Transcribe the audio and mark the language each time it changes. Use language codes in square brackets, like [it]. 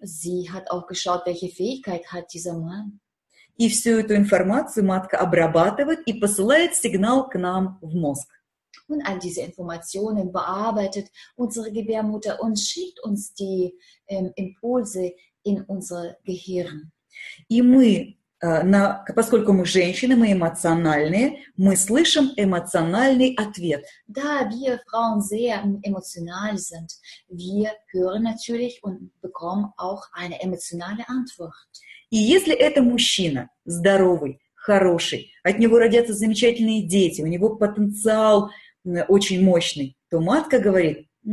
[de] Sie hat auch geschaut, welche Fähigkeit hat dieser Mann. [ru] И всю эту информацию матка обрабатывает и посылает сигнал к нам в мозг. [de] Und all diese Informationen bearbeitet unsere Gebärmutter und schickt uns die Impulse in unser Gehirn. [ru] И мы, поскольку мы женщины, мы эмоциональные, мы слышим эмоциональный ответ. [de] Da wir Frauen sehr emotional sind, wir hören natürlich und bekommen auch eine emotionale Antwort. [ru] И если это мужчина, здоровый, хороший, от него родятся замечательные дети, у него потенциал очень мощный, то матка говорит